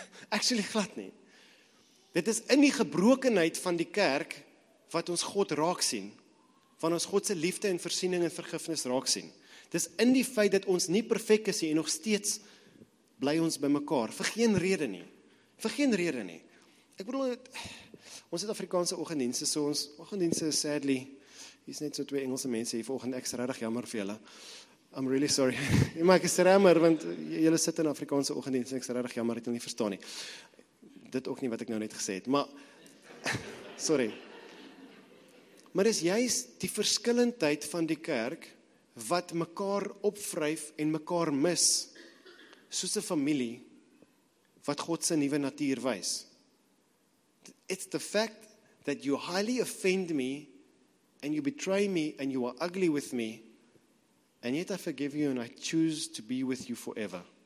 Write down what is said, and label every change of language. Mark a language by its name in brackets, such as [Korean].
[Afrikaans] Actually glad nie. Dit is in die gebrokenheid van die kerk wat ons God raak sien. Van ons God se liefde en voorsiening en vergifnis raak sien. Dis in die feit dat ons nie perfek is nie en nog steeds bly ons by mekaar. Vir geen rede nie. Ek bedoel, ons het Afrikaanse oggenddienste, so ons oggenddienste is sadly, hier's net so 2 Engelse mense hier vanoggend, ek is regtig jammer vir julle. [English] I'm really sorry. [Afrikaans] Jy maak is jammer, want jylle sit in Afrikaanse oggenddienst, ek is regtig jammer, het jylle nie verstaan nie. Dit ook nie wat ek nou net gesê het, maar, sorry. Maar is juist die verskillendheid van die kerk, wat mekaar opwryf en mekaar mis, soos 'n familie, wat God se nuwe natuur wys. [English] It's the fact that you highly offend me and you betray me and you are ugly with me, and yet I forgive you and I choose to be with you forever.